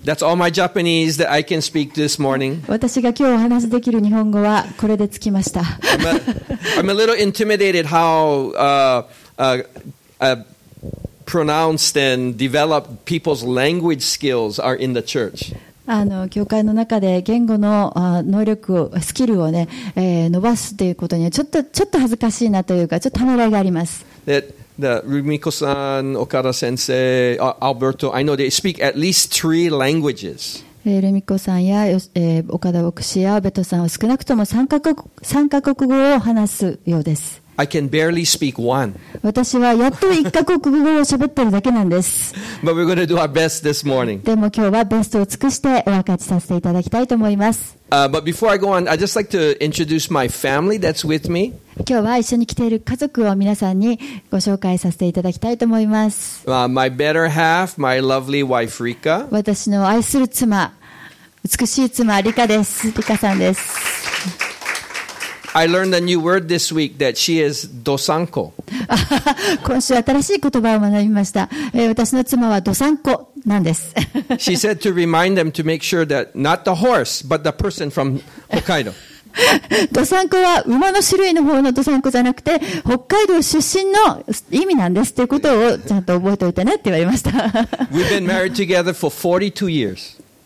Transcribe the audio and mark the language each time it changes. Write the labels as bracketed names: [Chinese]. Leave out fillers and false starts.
[English] That's all my Japanese that I can speak this morning. I'm a little intimidated how pronounced and developed people's language skills are in the church. [Japanese] 教会の中で言語の能力をスキルをね、伸ばすということにはちょっと恥ずかしいなというかちょっとためらいがあります。 [English] Rumiko-san, Okada sensei, Alberto, I know they speak at least three languages. [Japanese] Rumiko-san や Okada Bokushi や Alberto さんは少なくとも3カ国語を話すようです。 [English] I can barely speak one. [Japanese] 私はやっと一カ国語を喋ってるだけなんです。 [English] But we're going to do our best this morning. [Japanese] でも今日はベストを尽くしてお分かちさせていただきたいと思います。 [English] But before I go on, I'd just like to introduce my family that's with me. [Japanese] 今日は一緒に来ている家族を皆さんにご紹介させていただきたいと思います。 [English] My better half, my lovely wife, Rika. [Japanese] 私の愛する妻、美しい妻、リカです。リカさんです。 [English] I learned a new word this week that she is ドサンコ。 [Japanese] 今週新しい言葉を学びました。私の妻はドサンコなんです。 [English] She said to remind them to make sure that not the horse, but the person from Hokkaido. [Japanese] ドサンコは馬の種類の方のドサンコじゃなくて北海道出身の意味なんですということをちゃんと覚えておいてねって言われました。 [English] We've been married together for 42 years.